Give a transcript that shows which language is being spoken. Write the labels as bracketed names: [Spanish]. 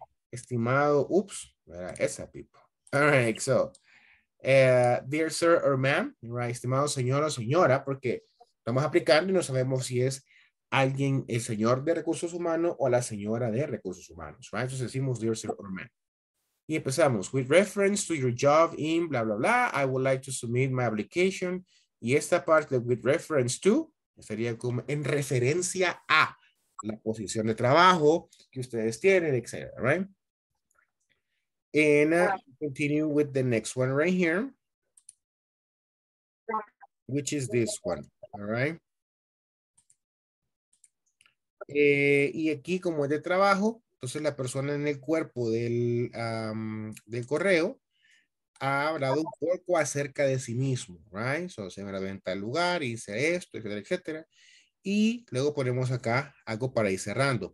[Spanish] Estimado, oops, esa pipa. [English] All right, so, dear sir or ma'am, [Spanish] right, estimado señor o señora, porque estamos aplicando y no sabemos si es alguien, el señor de recursos humanos o la señora de recursos humanos, right? Entonces decimos, [English] dear sir or ma'am. [Spanish] Y empezamos, [English] with reference to your job in blah, blah, blah, I would like to submit my application. [Spanish] Y esta parte, [English] with reference to, [Spanish] sería como en referencia a la posición de trabajo que ustedes tienen, etc., right? [English] And continue with the next one right here, which is this one, all right? [Spanish] Y aquí, como es de trabajo, entonces la persona en el cuerpo del, del correo ha hablado un poco acerca de sí mismo, right? So, se me la venta el lugar, hice esto, etcétera, etcétera. Y luego ponemos acá algo para ir cerrando.